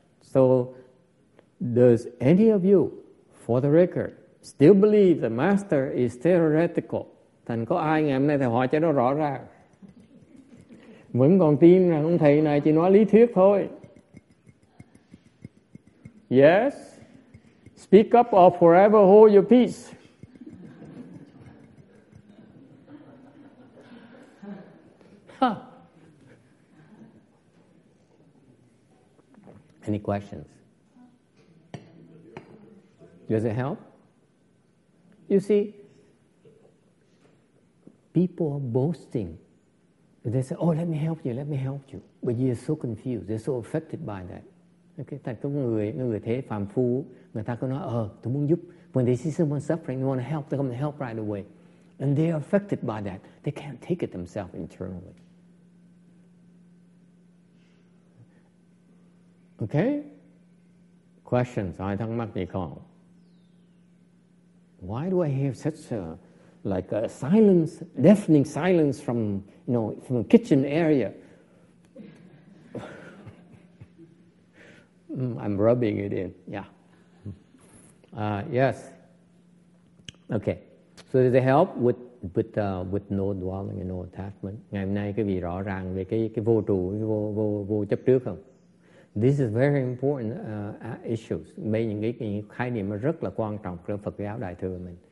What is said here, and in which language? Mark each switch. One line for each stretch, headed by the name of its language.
English: So, does any of you, for the record, still believe the master is theoretical?
Vietnamese: Thành có ai ngày hôm nay thầy hỏi cho nó rõ ràng. Vẫn còn tin rằng ông thầy này chỉ nói lý thuyết thôi.
English: Yes? Speak up or forever hold your peace. Any questions? Does it help? You see, people are boasting. They say, oh, let me help you. But you're so confused. They're so affected by that.
Vietnamese: Okay, thành có người thế phàm phu, người ta cứ nói, tôi muốn giúp.
English: When they see someone suffering, they want to help, they come to help right away. And they are affected by that. They can't take it themselves internally. Okay? Questions?
Vietnamese: Ai thắc mắc gì không?
English: Why do I hear such a silence, deafening silence from, you know, from the kitchen area? I'm rubbing it in. Yeah. Yes. Okay. So does it help with no dwelling and no attachment?
Vietnamese: Ngày hôm nay quý vị rõ ràng về cái vô trụ, vô chấp trước không?
English: This is very important issues.
Vietnamese: Mấy những khái niệm rất là quan trọng của Phật giáo đại thừa mình.